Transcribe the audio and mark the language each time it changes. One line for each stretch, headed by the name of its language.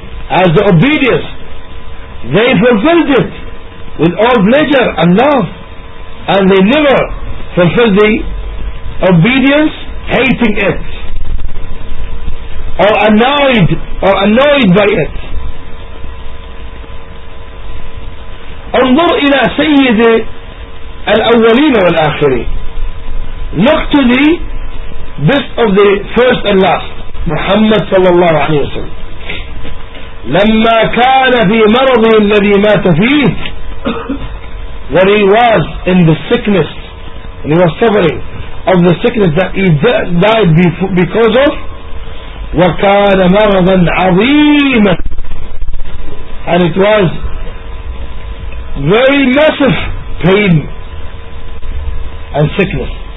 English: As the obedience, they fulfilled it with all pleasure and love, and they never fulfilled the obedience hating it or annoyed by it.
Arabic: انظر إلى سيد الأولين والآخرين.
English: Look to the best of the first and last, Muhammad
Arabic: صلى الله عليه وسلم. لما كان في مرضه الذي مات فيه,
English: when he was in the sickness, when he was suffering of the sickness that he died because of,
Arabic: وكان مرضا عظيما,
English: and it was very massive pain and sickness.